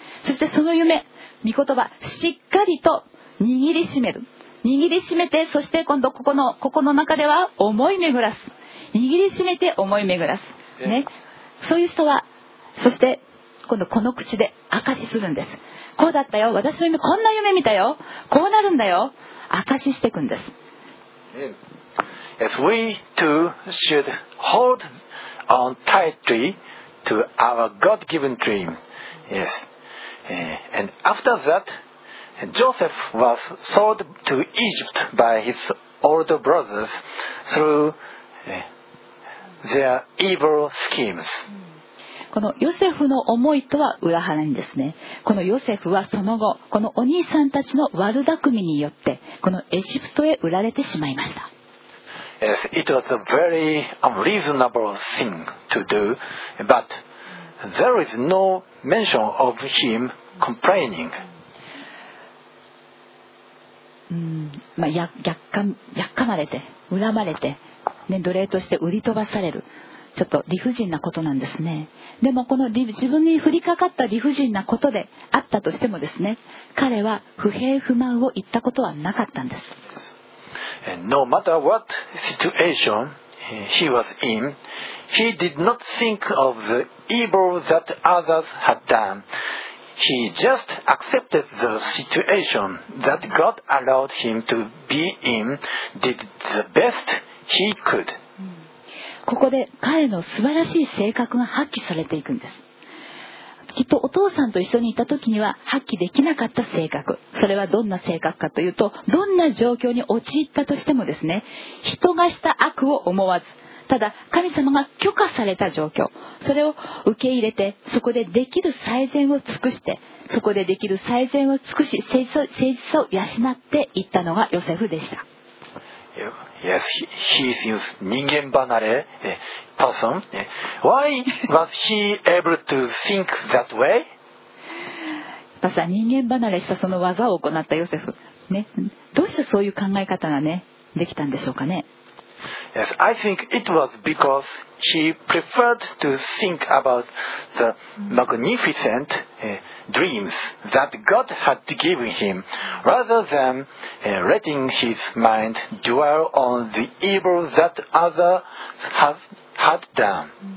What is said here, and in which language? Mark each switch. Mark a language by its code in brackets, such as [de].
[ja] そしてその夢、御言葉、しっかりと握りしめる、握りしめて、そして今度ここの中では思い巡らす、握りしめて思い巡らす、ね、そういう人は、そして今度この口で証しするんです。こうだったよ、私の夢こんな夢見たよ、こうなるんだよ、証ししていくんです。 [en] Yes, we too should hold on tightly to our God-given dream. Yes. And after that, Joseph was sold to Egypt by his older brothers through their evil schemes. [ja] このヨセフの思いとは裏腹にですね、このヨセフはその後、このお兄さんたちの悪巧みによってこのエジプトへ売られてしまいました。 [en] Yes, it was a very unreasonable thing to do, but there is no mention of him complaining. [ja] まあ、やっかまれて恨まれて、ね、奴隷として売り飛ばされる、ちょっと理不尽なことなんですね。でもこの自分に降りかかった理不尽なことであったとしてもですね、彼は不平不満を言ったことはなかったんです。 [en] No matter what situation he was in, he did not think of the evil that others had done. He just accepted the situation that God allowed him to be in, did the best he could. [ja] ここで彼の素晴らしい性格が発揮されていくんです。きっとお父さんと一緒にいた時には発揮できなかった性格、それはどんな性格かというと、どんな状況に陥ったとしてもですね、人がした悪を思わず、ただ神様が許可された状況、それを受け入れて、そこでできる最善を尽くして、そこでできる最善を尽くし、誠実さを養っていったのがヨセフでした。 [en] Yes, he seems [ja] 人間離れ [en] person. Why was he able to think that way? [ja] まさに人間離れしたその技を行ったヨセフ、ね、どうしてそういう考え方が、ね、できたんでしょうかね。 [en] Yes, I think it was because he preferred to think about the magnificent dreams that God had given him, rather than letting his mind dwell on the evil that others had done.